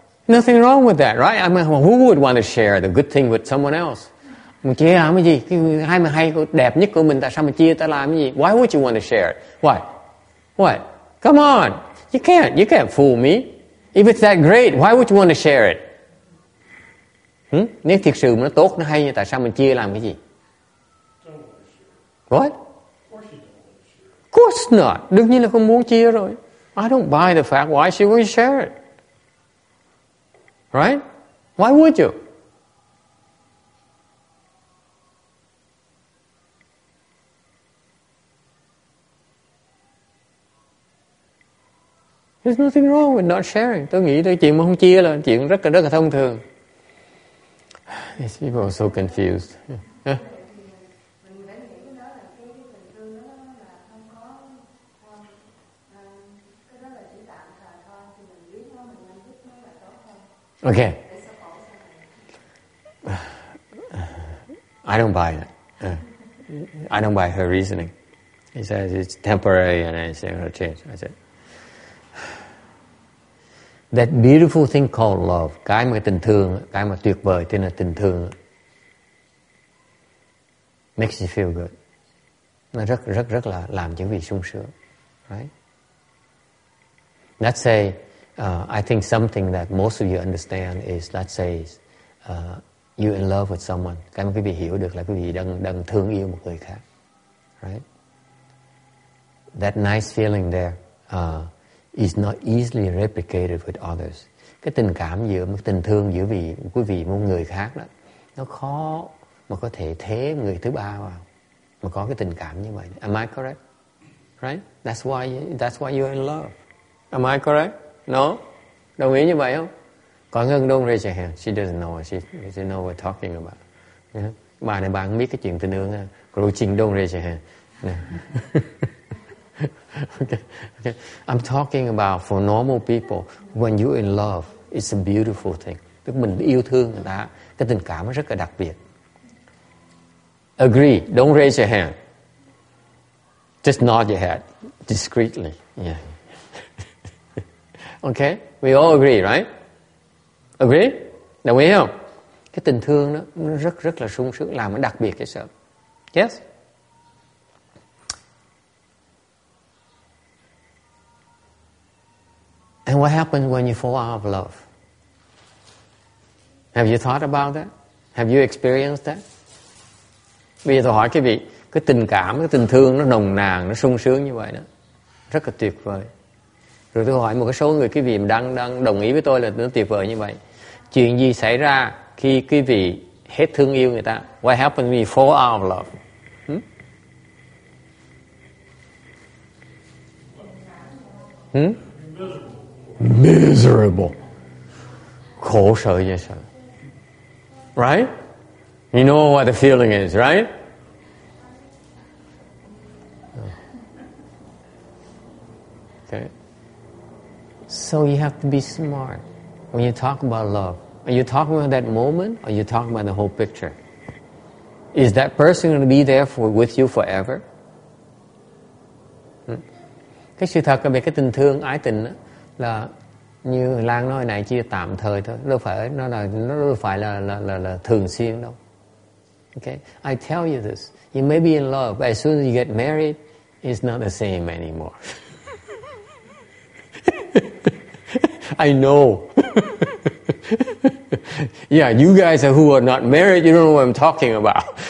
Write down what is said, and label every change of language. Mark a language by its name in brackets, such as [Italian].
[English] Nothing wrong with that, right? I mean, who would want to share the good thing with someone else? [Vietnamese] Mình chia làm cái gì? Hay mà hay, đẹp nhất của mình, tại sao mình chia ta làm cái gì? [English] Why would you want to share it? What? What? Come on! You can't fool me. If it's that great, why would you want to share it? [Vietnamese] Nếu thiệt sự mà nó tốt, nó hay, tại sao mình chia làm cái gì? [English] What? Of course not. [Vietnamese] Đương nhiên là không muốn chia rồi. [English] I don't buy the fact why she would share it. Right? Why would you? There's nothing wrong with not sharing. [Vietnamese] Tôi nghĩ tới chuyện mà không chia là chuyện rất là thông thường. [English] These people are so confused. Yeah. Okay. I don't buy it. I don't buy her reasoning. He says it's temporary and it's going to change. I said, that beautiful thing called love, [Vietnamese] cái mà tình thương, cái mà tuyệt vời tên là tình thương, [English] makes you feel good. [Vietnamese] Nó rất rất rất là làm cho vị sung sướng. [English] Right? Let's say, I think something that most of you understand is, let's say, you're in love with someone. [Vietnamese] Cái mà quý vị hiểu được là quý vị đang thương yêu một người khác. [English] Right? That nice feeling there, is not easily replicated with others. [Vietnamese] Cái tình cảm giữa một tình thương giữa vị quý vị một người khác đó, nó khó mà có thể thế người thứ ba vào mà có cái tình cảm như vậy. [English] Am I correct? Right? That's why you're in love. Am I correct? No? [Vietnamese] Đồng ý như vậy không? [English] Có Ngân don't raise your hand. She doesn't know. She doesn't know what we're talking about. Yeah? [Vietnamese] Bà này bà không biết cái chuyện tình thương. [English] Cô Trinh don't raise your hand. Yeah. Okay. I'm talking about for normal people, when you're in love, it's a beautiful thing. [Vietnamese] Tức mình yêu thương người ta, cái tình cảm rất là đặc biệt. [English] Agree, don't raise your hand. Just nod your head discreetly. Yeah. Okay, we all agree, right? Agree? [Vietnamese] Đồng ý không? Cái tình thương đó, nó rất rất là sung sướng, làm nó đặc biệt cái sợ. [English] Yes? And what happens when you fall out of love? Have you thought about that? Have you experienced that? [Vietnamese] Bây giờ tôi hỏi quý vị, cái tình cảm, cái tình thương nó nồng nàn, nó sung sướng như vậy đó, rất là tuyệt vời. Rồi tôi hỏi một số người quý vị đang đồng ý với tôi là nó tuyệt vời như vậy. Chuyện gì xảy ra khi quý vị hết thương yêu người ta? [English] What happens when you fall out of love? Miserable. [Vietnamese] Khổ sở như sợ. [English] Right? You know what the feeling is, right? Okay. So you have to be smart when you talk about love. Are you talking about that moment, or are you talking about the whole picture? Is that person going to be there for with you forever? [Vietnamese] Cái sự thật về cái tình thương ái tình đó, là như Lan nói này chỉ là tạm thời thôi, nó đâu phải là thường xuyên đâu. [English] Okay, I tell you this. You may be in love, but as soon as you get married, it's not the same anymore. I know. Yeah, you guys who are not married, you don't know what I'm talking about.